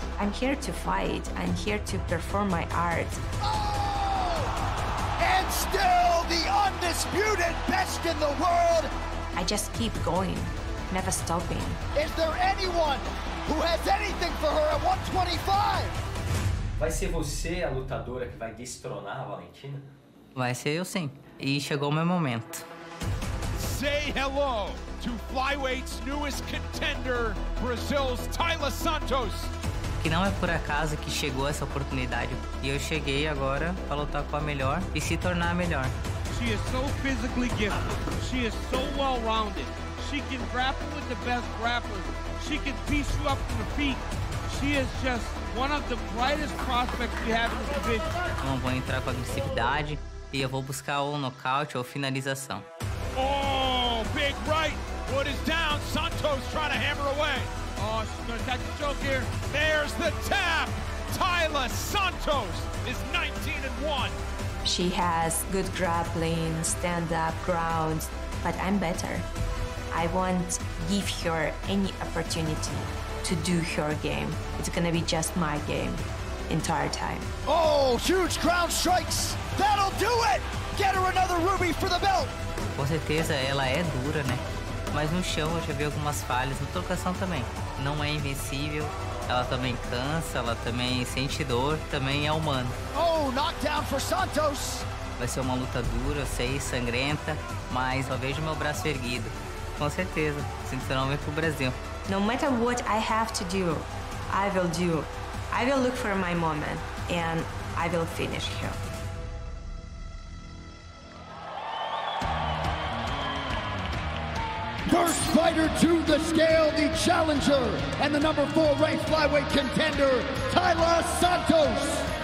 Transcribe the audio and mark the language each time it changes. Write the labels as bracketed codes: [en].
[en] I'm here to fight. I'm here to perform my art. Oh! And still the undisputed best in the world. I just keep going, never stopping. Is there anyone who has anything for her at 125? [pt] Vai ser você a lutadora que vai destronar a Valentina? Vai ser eu sim. E chegou o meu momento. [en] Say hello to Flyweight's newest contender, Brazil's Taila Santos. [pt] Que não é por acaso que chegou essa oportunidade. E eu cheguei agora para lutar com a melhor e se tornar a melhor. [en] She is so physically gifted. She is so well-rounded. She can grapple with the best grapplers. She can piece you up from the feet. She is just one of the brightest prospects we have in this division. [pt] Bom, vou entrar com agressividade. E eu vou buscar ou nocaute ou finalização. [en] Oh, big right. What is down? Santos trying to hammer away. Oh, she's going to catch the choke here. There's the tap. Taila Santos is 19-1. She has good grappling, stand-up, ground. But I'm better. I won't give her any opportunity to do her game. It's going to be just my game. Entire time. Oh, huge crown strikes. That'll do it. Get her another ruby for the belt. [pt] Com certeza ela é dura, né? Mas no chão eu já vi algumas falhas, na trocação também. Não é invencível. Ela também cansa, ela também sente dor, também é humana. [en] Oh, knockdown for Santos. [pt] Vai ser uma luta dura, eu sei, sangrenta, mas eu vejo meu braço erguido. Com certeza, cinturão vem pro Brasil. [en] No matter what I have to do, I will do. I will look for my moment, and I will finish him. First fighter to the scale, the challenger, and the number four ranked flyweight contender, Taila Santos.